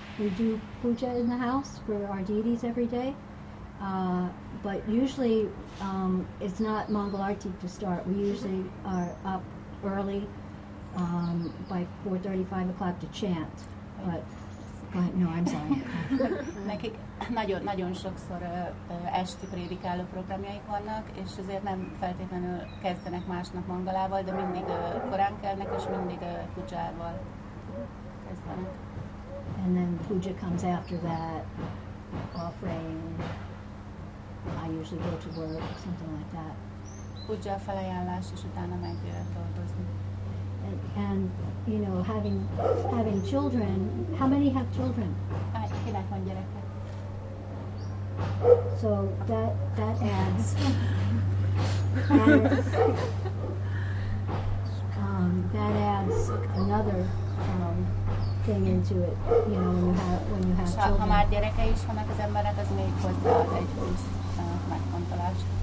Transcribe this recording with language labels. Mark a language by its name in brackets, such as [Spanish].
[English] We do puja in the house for our deities every day, but usually it's not Mangalarti to start. We usually are up early by 4:30, 5 o'clock to chant, but. No, I'm sorry. [Hungarian] Nekik nagyon-nagyon sokszor esti prédikáló programjaik vannak, és ezért nem feltétlenül kezdenek másnap mangalával, de mindig korán kelnek, és mindig pujával kezdenek. [English] And then puja comes after that, offering. I usually go to work, something like that. [Hungarian] Puja felajánlás, és utána meg dolgozni. [English] And you know, having children, how many have children? [Hungarian] Kinek van gyereke? [English] So that adds that adds another thing into it, you know, when you have children. [Hungarian] Ha már gyereke is vannak az emberek, az még hozzá az egy plusz megfontolás.